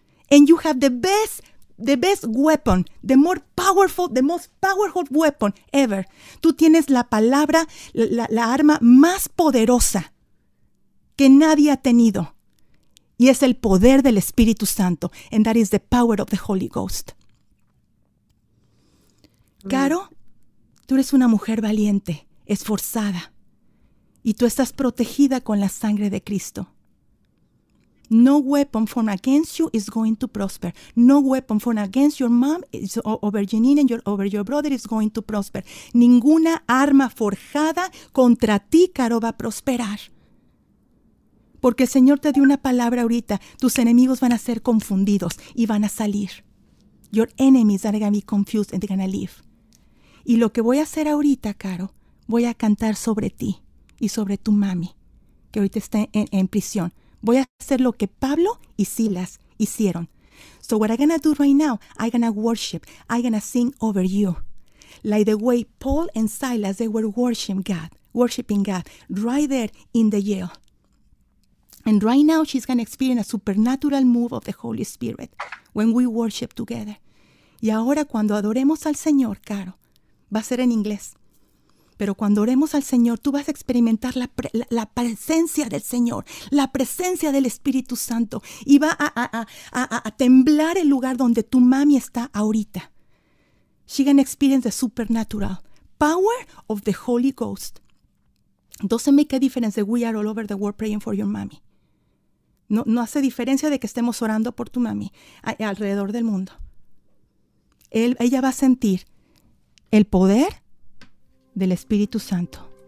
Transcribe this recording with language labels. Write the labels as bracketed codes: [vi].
[en] And you have the best weapon, the most powerful weapon ever. [es] Tú tienes la palabra, la arma más poderosa que nadie ha tenido. Y es el poder del Espíritu Santo. [en] And that is the power of the Holy Ghost. [es] Caro, tú eres una mujer valiente, esforzada. Y tú estás protegida con la sangre de Cristo. [en] No weapon formed against you is going to prosper. No weapon formed against your mom is over Janine and over your brother is going to prosper. [es] Ninguna arma forjada contra ti, Caro, va a prosperar. Porque el Señor te dio una palabra ahorita. Tus enemigos van a ser confundidos y van a salir. [en] Your enemies are going to be confused and they're going to leave. [es] Y lo que voy a hacer ahorita, Caro, voy a cantar sobre ti y sobre tu mami, que ahorita está en prisión. Voy a hacer lo que Pablo y Silas hicieron. [en] So what I'm going to do right now, I'm going to worship. I'm going to sing over you. Like the way Paul and Silas, they were worshiping God, right there in the jail. And right now, she's going to experience a supernatural move of the Holy Spirit when we worship together. [es] Y ahora, cuando adoremos al Señor, Caro, va a ser en inglés. Pero cuando oremos al Señor, tú vas a experimentar la presencia del Señor, la presencia del Espíritu Santo. Y va a temblar el lugar donde tu mami está ahorita. [en] She's going to experience the supernatural power of the Holy Ghost. Doesn't make a difference that we are all over the world praying for your mommy. [es] No hace diferencia de que estemos orando por tu mami alrededor del mundo. Ella va a sentir el poder del Espíritu Santo.